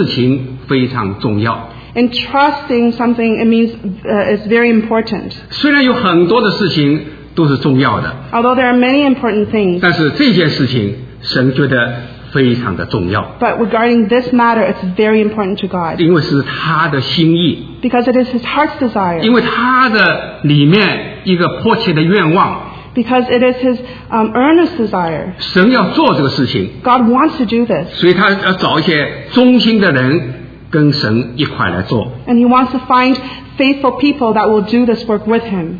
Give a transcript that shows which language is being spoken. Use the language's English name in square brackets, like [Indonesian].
[Chinese] 托付的意思就表示这事情非常重要。 [English] Entrusting something, it means it's very important. [Chinese] 虽然有很多的事情都是重要的。 [English] Although there are many important things. [Chinese] 但是这件事情神觉得非常的重要。 [English] But regarding this matter, it's very important to God. [Chinese] 因为是他的心意。 [English] Because it is his heart's desire. [Chinese] 因为他的里面一个迫切的愿望。 [English] Because it is his earnest desire. [Chinese] 神要做这个事情。 [English] God wants to do this. [Chinese] 所以他要找一些忠心的人跟神一块来做。 [English] And he wants to find faithful people that will do this work with him.